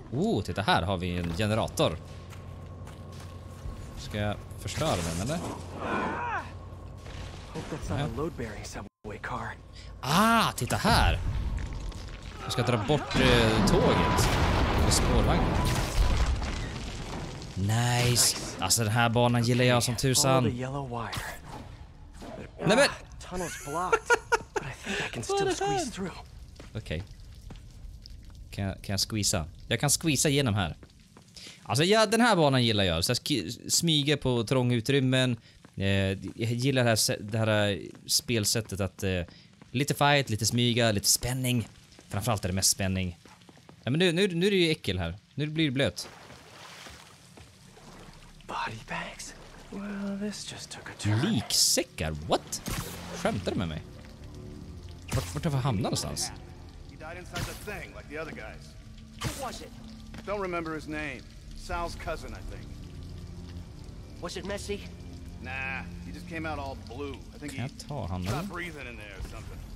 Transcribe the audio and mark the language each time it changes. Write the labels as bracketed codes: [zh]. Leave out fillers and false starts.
[sv] Oh, titta, här har vi en generator. Ska jag förstöra den, eller? [en] Hope that's not a load-bearing subway car. [sv] Ah, titta här. Jag ska dra bort tåget. Spårvagn. [en] Nice. [sv] Alltså den här banan gillar jag som tusan. Nej, men [en] tunnels blocked. But I think I can still squeeze through. [sv] Okej. Kan jag squeeza? Jag kan squeeza igenom här. Alltså ja, den här banan gillar jag. Så jag smyger på trånga utrymmen. Jag gillar det här spelsättet att lite fight, lite smyga, lite spänning. Framförallt är det mest spänning. Ja, men nu är det ju äckel här. Nu blir det blöt. [en] Body bags. Well, this just took a [sv] turn. Liksäckar. What? Skämtar du med mig? Vart har vi hamnat någonstans? [en] He died inside the thing like the other guys. Who was it? Don't remember his name. Sal's cousin, I think. Was it messy? Nah, he just came out all blue. I think can he [sv] jag ta han [en] got breathing in there or something.